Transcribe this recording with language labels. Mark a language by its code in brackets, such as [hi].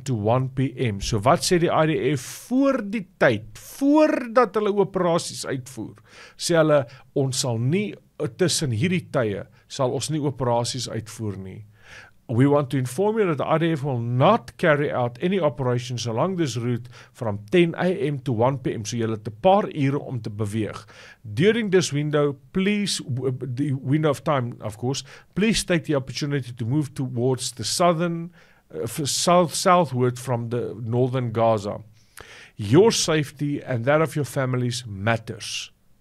[en] to 1 p.m. [af] So wat sê die IDF voor die tyd, voordat hulle operasies uitvoer, sê hulle, ons sal nie tussen hierdie tye, sal ons nie operasies uitvoer nie. [en] We want to inform you that the IDF will not carry out any operations along this route from 10 a.m. to 1 p.m. [af] So julle het 'n paar ure om te beweeg. [en] During this window, please take the opportunity to move towards the southward from the northern Gaza. Your safety and that of your families matters.